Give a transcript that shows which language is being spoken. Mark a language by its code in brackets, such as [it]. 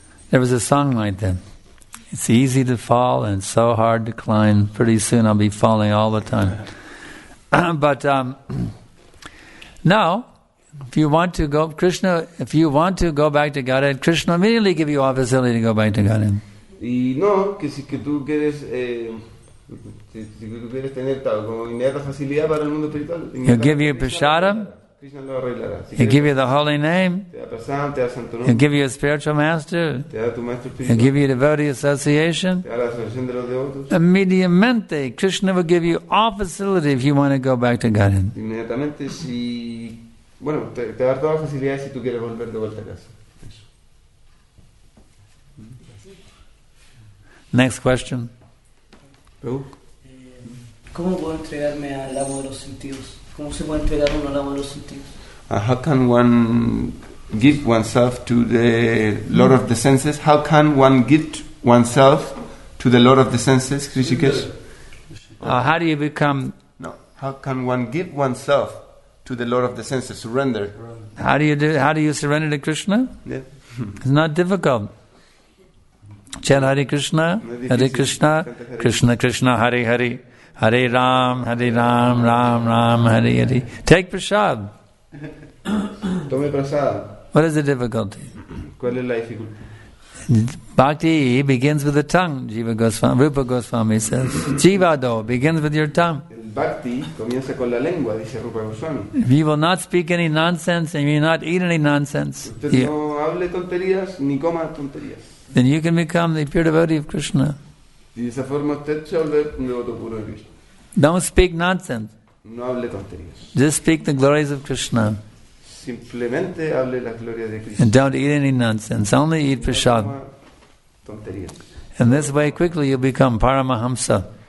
[en] There was a song like that. It's easy to fall and so hard to climb. Pretty soon I'll be falling all the time. But now, if you want to go, Krishna, if you want to go back to Godhead, Krishna immediately give you all facility to go back to Godhead. [es] Y no, que si que tú quieres, si tú quieres tener tal, como inmediata facilidad para el mundo espiritual. [en] He'll give you prasadam. [es] Krishna lo arreglará. [en] He'll give you the holy name. [es] Te da prasadam, te da santo nombre. [en] He'll give you a spiritual master. [es] Te da tu maestro espiritual. [en] He'll give you a devotee association. [es] Te da la asociación de los devotos. [en] Immediately, Krishna will give you all facility if you want to go back to Godhead. [es] Inmediatamente, si. Bueno, te va a dar toda la facilidad si tú quieres volver de vuelta a casa. [en] Eso. Next question. [es] ¿Cómo puedo entregarme al amo de los sentidos? ¿Cómo se puede entregar uno al amo de los sentidos? [en] How can one give oneself to the Lord of the senses? How can one give oneself to the Lord of the senses, Hrishikesh? How do you become... No. How can one give oneself to the Lord of the senses, surrender? How do you surrender to Krishna? Yeah. It's not difficult. Chant Hare Krishna, Hare Krishna, Krishna Krishna, Hare Hare, Hare Ram, Hare Ram, Ram Ram, Hare Hare. Take prasad. [es] Tome prasad. [en] What is the difficulty? [es] ¿Cuál es la dificultad? [en] Bhakti begins with the tongue, Jiva Goswami, Rupa Goswami says. Jivado begins with your tongue. [es] Bhakti comienza con la lengua, dice Rupa Goswami. [en] If you will not speak any nonsense and you will not eat any nonsense, [es] no hable tonterías, ni coma tonterías. [en] Then you can become the pure devotee of Krishna. [es] Y de esa forma usted se vuelve un devoto puro de Krishna. [en] Don't speak nonsense. [es] No hable tonterías. [en] Just speak the glories of Krishna. [es] Simplemente hable la gloria de Krishna. [en] And don't eat any nonsense. Only eat prasad. And this way, quickly, you'll become Paramahamsa.